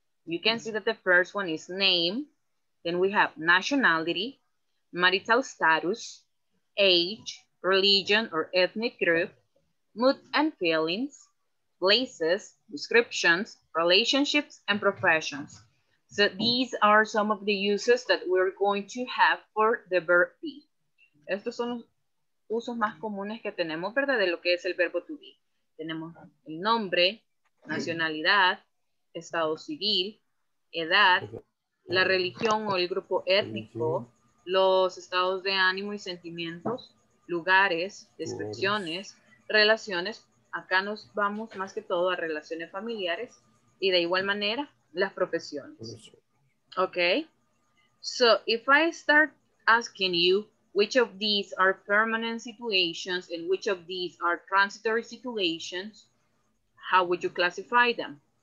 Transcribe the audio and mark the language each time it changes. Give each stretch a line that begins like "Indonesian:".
English: You can see that the first one is name. Then we have nationality, marital status, age, religion or ethnic group, mood and feelings, places, descriptions, relationships, and professions. So these are some of the uses that we're going to have for the verb be.
Spanish: Estos son los usos más comunes que tenemos, ¿verdad? De lo que es el verbo to be. Tenemos el nombre, nacionalidad, estado civil, edad, la religión o el grupo étnico, los estados de ánimo y sentimientos, lugares, descripciones, relaciones. Acá nos vamos más que todo a relaciones familiares y de igual manera las profesiones.
English: Ok. So if I start asking you which of these are permanent situations and which of these are transitory situations, how would you classify them?